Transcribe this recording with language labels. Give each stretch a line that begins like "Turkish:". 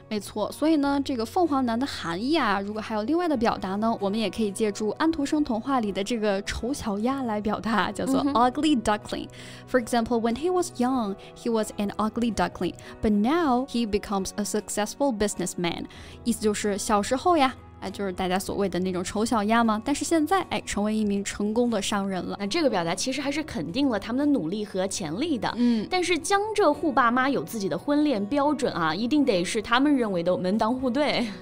Chinese: 没错，所以呢这个凤凰男的含义啊，如果还有另外的表达呢，我们也可以借助安徒生童话里的这个丑小鸭来表达，叫做 ugly duckling.
English: For example, when he was young, he was an ugly duckling, but now he becomes a successful businessman.
Chinese: 意思就是小时候呀哎、就是大家所谓的那种丑小鸭吗但是现在、哎、成为一名成功的商人了那这个表达其实还是肯定了他们的努力和潜力的、嗯、但是江浙沪爸妈有自己的婚恋标准啊，一定得是他们认为的门当户对